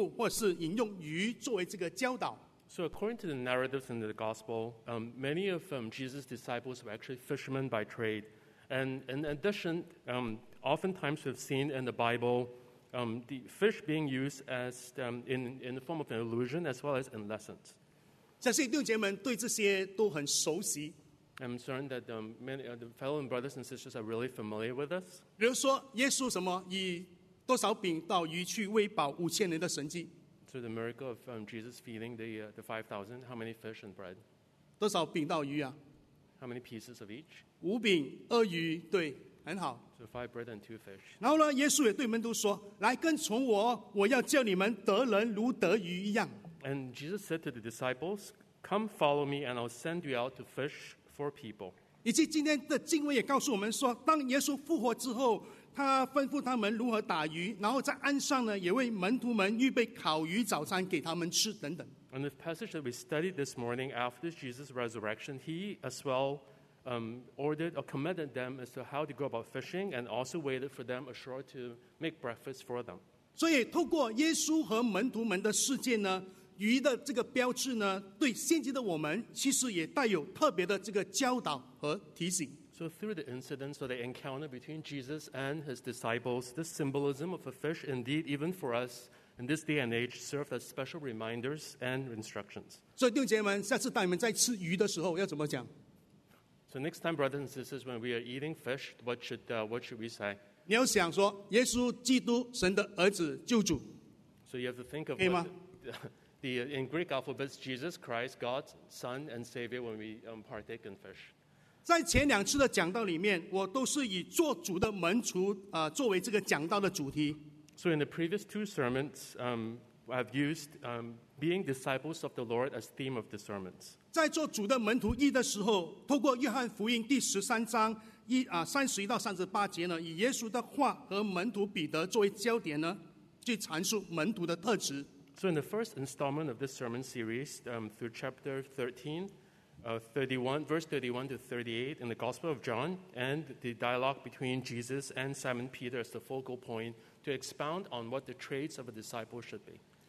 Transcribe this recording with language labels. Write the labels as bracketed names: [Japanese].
[Chinese] 根据福音书的这个叙述呢，耶稣的许多门徒呢，都是渔夫出身，而且呢，圣经中也常常出现这个有关鱼的典故，或是引用鱼作为这个教导。 [English] So according to the narratives in the gospel, many of Jesus' disciples were actually fishermen by trade. And in addition, oftentimes we've seen in the Bible the fish being used as in the form of an allusion as well as in lessons. [Chinese] 相信弟兄姐妹们对这些都很熟悉。 [English] I'm certain that many of the fellow brothers and sisters are really familiar with this. [Chinese] 比如说耶稣什么以多少饼到鱼去喂饱5000人的神迹。 [English] So the miracle of Jesus feeding the 5,000, how many fish and bread? [Chinese] 多少饼到鱼啊? [English] How many pieces of each? [Chinese] 5饼2鱼, 对, 很好。 [English] So 5 bread and 2 fish. [Chinese] 然后呢,耶稣也对门徒说, 来跟从我, 我要叫你们得人如得鱼一样。 [English] And Jesus said to the disciples, come follow me and I'll send you out to fish for people. [Chinese] 以及今天的经文也告诉我们说, 当耶稣复活之后, 他吩咐他们如何打鱼, 然后在岸上呢, 也为门徒们预备烤鱼早餐给他们吃, [English] and the passage that we studied this morning after Jesus' resurrection, he as well ordered or commanded them as to how to go about fishing and also waited for them ashore to make breakfast for them. [Chinese] 所以透过耶稣和门徒们的事件呢, 鱼的这个标志呢, 对现今的我们, 其实也带有特别的这个教导和提醒。 [English] So through the incidents or the encounter between Jesus and his disciples, the symbolism of a fish, indeed, even for us in this day and age, served as special reminders and instructions. [Chinese] 所以弟兄姐妹们, [English] so next time, brothers and sisters, when we are eating fish, what should we say? [Chinese] 你要想说, 耶稣基督, 神的儿子, [English] so you have to think of in Greek alphabets, Jesus Christ, God's Son and Savior, when we partake in fish. [Chinese] 在前两次的讲道里面, 我都是以做主的门徒, 作为这个讲道的主题。 [English] So in the previous two sermons, I've used being disciples of the Lord as theme of the sermons. [Chinese] 在做主的门徒一的时候, 透过约翰福音第13章, 31到38节呢, 以耶稣的话和门徒彼得作为焦点呢, 去阐述门徒的特质。 [English] So in the first installment of this sermon series, through chapter 13, 31, verse 31 to 38 in the Gospel of John, and the dialogue between Jesus and Simon Peter as the focal point to expound on what the traits of a disciple should be.